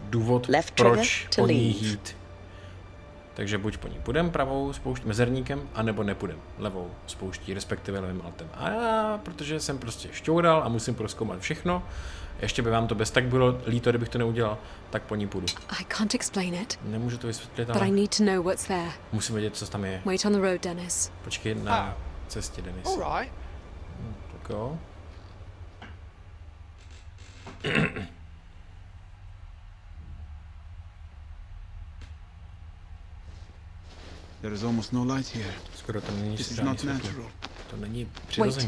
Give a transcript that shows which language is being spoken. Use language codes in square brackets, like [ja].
[cs] Důvod, left proč to po ní jít. Takže buď po ní půjdem pravou spoušť mezerníkem, anebo nepůjdem levou spouští, respektive levým altem. A já, protože jsem prostě šťoural a musím prozkoumat všechno, ještě by vám to bez tak bylo líto, kdybych to neudělal, tak po ní půjdu. [en] I can't explain it. [cs] Nemůžu to vysvětlit, ale... [en] But I need to know what's there. [cs] Musím vědět, co tam je. [en] Wait on the road, Dennis. [cs] Počkej na cestě, Dennis. [en] All right. [cs] Tak jo. [en] There is almost no light here. [cs] Skoro tam není žádný světlo. To není přirozený.